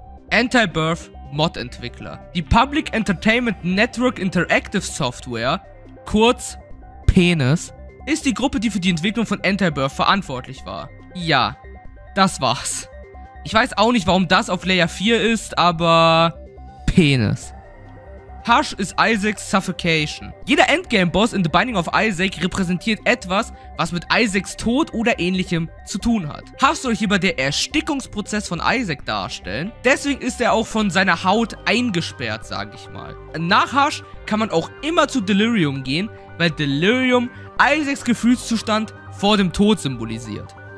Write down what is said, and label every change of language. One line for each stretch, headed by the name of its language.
German: Anti-Birth Mod-Entwickler. Die Public Entertainment Network Interactive Software, kurz PENIS, ist die Gruppe, die für die Entwicklung von Anti-Birth verantwortlich war. Ja, das war's. Ich weiß auch nicht, warum das auf Layer 4 ist, aber PENIS.
English: Hush is Isaac's Suffocation.
German: Jeder Endgame-Boss in The Binding of Isaac repräsentiert etwas, was mit Isaacs Tod oder ähnlichem zu tun hat. Hush soll hierbei der Erstickungsprozess von Isaac darstellen. Deswegen ist er auch von seiner Haut eingesperrt, sag ich mal. Nach Hush kann man auch immer zu Delirium gehen, weil Delirium Isaacs Gefühlszustand vor dem Tod symbolisiert.